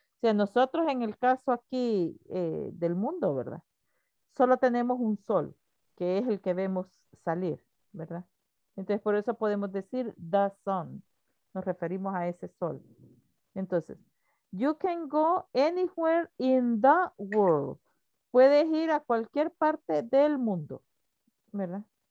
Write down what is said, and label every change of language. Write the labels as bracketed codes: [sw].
[es] Si a nosotros en el caso aquí del mundo, ¿verdad? Solo tenemos un sol, que es el que vemos salir, ¿verdad? Entonces, por eso podemos decir [en] the sun. [es] Nos referimos a ese sol. Entonces, [en] you can go anywhere in the world. [es] Puedes ir a cualquier parte del mundo, ¿verdad?